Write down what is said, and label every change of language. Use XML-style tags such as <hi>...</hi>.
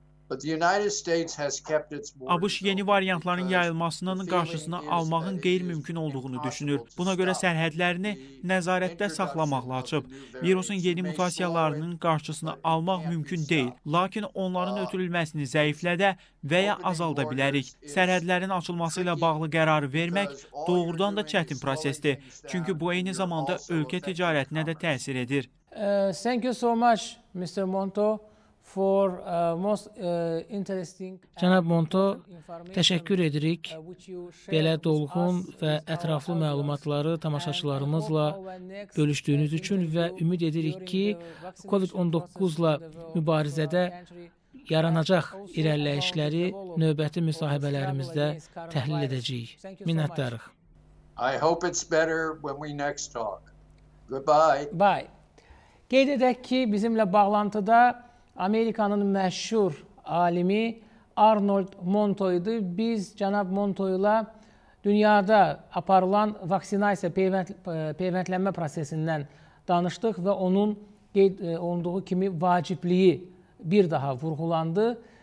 <en>But the United States has kept its borders.</en> <az>ABŞ yeni variantların yayılmasının qarşısını almağın qeyri-mümkün olduğunu düşünür. Buna görə sərhədlərini nəzarətdə saxlamaqla açıb. Virusun yeni mutasiyalarının qarşısını almaq mümkün deyil. Lakin onların ötürülməsini zəiflədə və ya azalda bilərik. Sərhədlərin açılması ilə bağlı qərar vermək doğrudan da çətin prosesdir. Çünki bu eyni zamanda ölkə ticarətinə də təsir edir.</az> <en>Thank you so much, Mr. Monto. For most interesting</en> <az>Cənab Monto, təşəkkür edirik. Belə dolğun və ətraflı məlumatları tamaşaçılarımızla bölüşdüyünüz üçün və ümid edirik ki, COVID-19-la mübarizədə yaranacaq irəliləyişləri növbəti müsahibələrimizdə təhlil edəcəyik. Minnətdarıq.</az> <en>I hope it's better when we next talk. Goodbye. Bye.</en> <az>Qeyd edək ki, bizimlə bağlantıda Amerikanın məşhur alimi Arnold Monto idi. Biz cənab Monto ilə dünyada aparılan vaksinasiya peyvəndlənmə prosesindən danışdıq və onun qeyd olunduğu kimi vacibliyi bir daha vurğulandı.</az>